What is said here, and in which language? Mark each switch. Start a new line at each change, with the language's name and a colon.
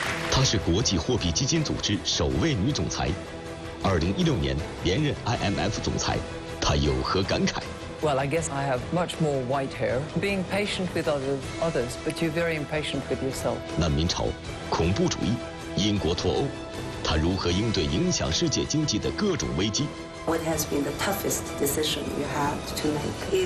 Chinese: 她是国际货币基金组织首位女总裁，2016年连任 IMF 总裁，她有何感慨
English: ？Well, I guess I have much more white hair. Being patient with others, but you're very impatient with yourself.
Chinese: 难民潮、恐怖主义、英国脱欧，她如何应对影响世界经济的各种危机
English: ？What has been the toughest decision you have to make?